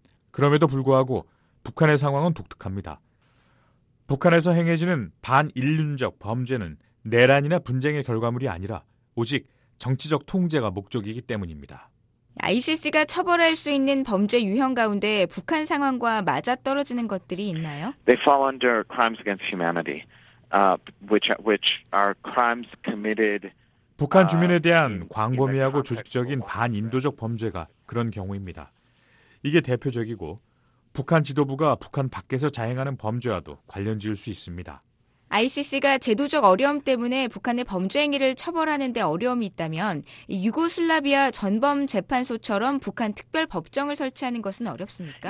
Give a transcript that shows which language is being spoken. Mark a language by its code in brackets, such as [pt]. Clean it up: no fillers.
[ko] 그럼에도 불구하고 북한의 상황은 독특합니다. 북한에서 행해지는 반인륜적 범죄는 내란이나 분쟁의 결과물이 아니라 오직 정치적 통제가 목적이기 때문입니다. ICC가 처벌할 수 있는 범죄 유형 가운데 북한 상황과 맞아떨어지는 것들이 있나요? [en] They fall under crimes against humanity, which are crimes committed. [ko] 북한 주민에 대한 광범위하고 조직적인 반인도적 범죄가 그런 경우입니다. 이게 대표적이고 북한 지도부가 북한 밖에서 자행하는 범죄와도 관련 지을 수 있습니다. ICC가 제도적 어려움 때문에 북한의 범죄 행위를 처벌하는 데 어려움이 있다면 유고슬라비아 전범재판소처럼 북한 특별법정을 설치하는 것은 어렵습니까?